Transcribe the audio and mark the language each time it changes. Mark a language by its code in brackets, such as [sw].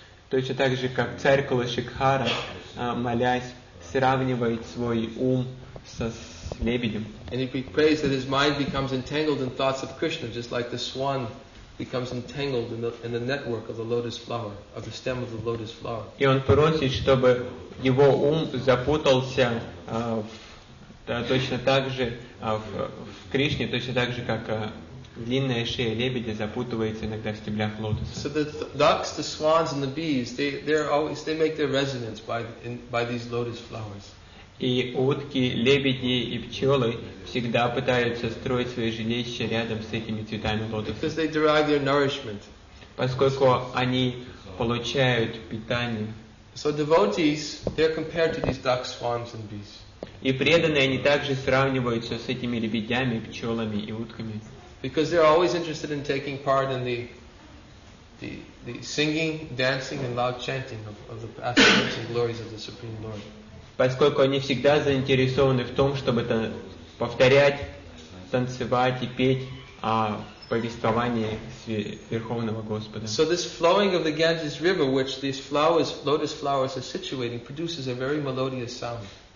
[ru] Точно так же, как царь Кулашекхара, молясь, сравнивает свой ум со лебедем. [en] And he prays that his mind becomes entangled in thoughts of Krishna, just like the swan becomes entangled in the network of the lotus flower, of the stem of the lotus flower. [ru] И он просит, чтобы его ум запутался в Да, точно так же в Кришне, точно так же, как длинная шея лебедя запутывается иногда в стеблях лотоса. [en] So the ducks, the swans, and the bees, they make their resonance by these lotus flowers. [ru] И утки, лебеди и пчелы всегда пытаются строить свои жилища рядом с этими цветами лотоса. [en] Because they derive their nourishment. [ru] Поскольку они получают питание. [en] So devotees, they're compared to these ducks, swans, and bees. [ru] И преданные, они также сравниваются с этими лебедями, пчелами и утками. [en] Because they're always interested in taking part in the singing, dancing, and loud chanting of the aspects and glories of the Supreme Lord. [ru] Поскольку они всегда заинтересованы в том, чтобы повторять, танцевать и петь о повествовании Верховного Господа. [en] So this flowing of the Ganges River, which these flowers, lotus flowers are situating, produces a very melodious sound.